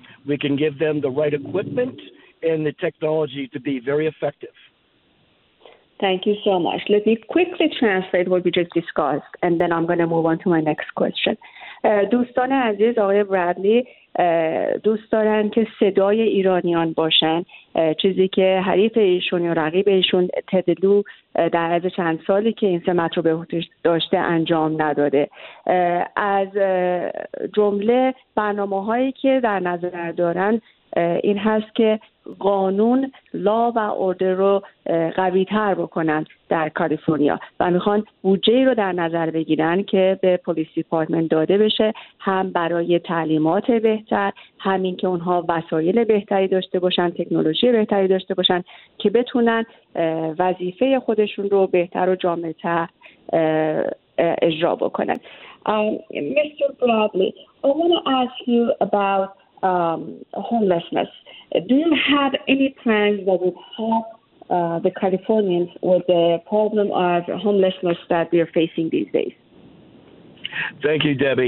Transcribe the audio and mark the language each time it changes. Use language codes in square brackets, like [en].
[en] We can give them the right equipment and the technology to be very effective. Thank you so much. Let me quickly translate what we just discussed, and then I'm going to move on to my next question. [fa] دوستان عزیز, آقای برادلی دوست دارن که صدای ایرانیان باشن, چیزی که حریف ایشون یا رقیب ایشون تد لو در عرض چند سالی که این سمت رو به عهده داشته انجام نداده. از جمله برنامه هایی که در نظر دارن این هست که قانون, لا و اوردر رو قوی تر بکنن در کالیفرنیا و میخوان بودجه رو در نظر بگیرن که به پلیس دیپارتمنت داده بشه, هم برای تعلیمات بهتر, همین که اونها وسایل بهتری داشته باشن, تکنولوژی بهتری داشته باشن که بتونن وظیفه خودشون رو بهتر و جامع‌تر اجرا بکنن. [en] Mr. Bradley, I want to ask you about homelessness. Do you have any plans that would help the Californians with the problem of homelessness that we are facing these days? Thank you, Debbie.